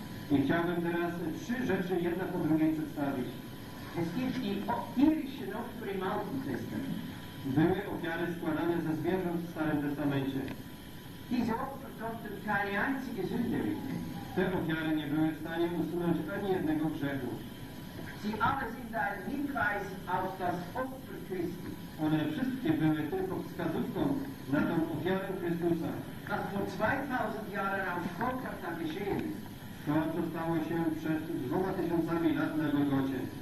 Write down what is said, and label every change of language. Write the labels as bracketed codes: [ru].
[pl] I chciałbym teraz trzy rzeczy jedna po drugiej przedstawić. [de] Es gibt die tierischen Opfer im Alten Testament. [pl] Były ofiary składane ze zwierząt w Starym Testamencie. [de] Diese Opfer konnten keine einzige Sünde wegnehmen. [pl] Te ofiary nie były w stanie usunąć ani jednego grzechu. [de] Sie alle sind ein Hinweis auf das Opfer Christi. [pl] One wszystkie były tylko wskazówką na tę ofiarę Chrystusa. [de] Das vor 2000 Jahren auf Golgatha geschehen ist. [pl] To, co stało się przed 2000 lat na Golgocie.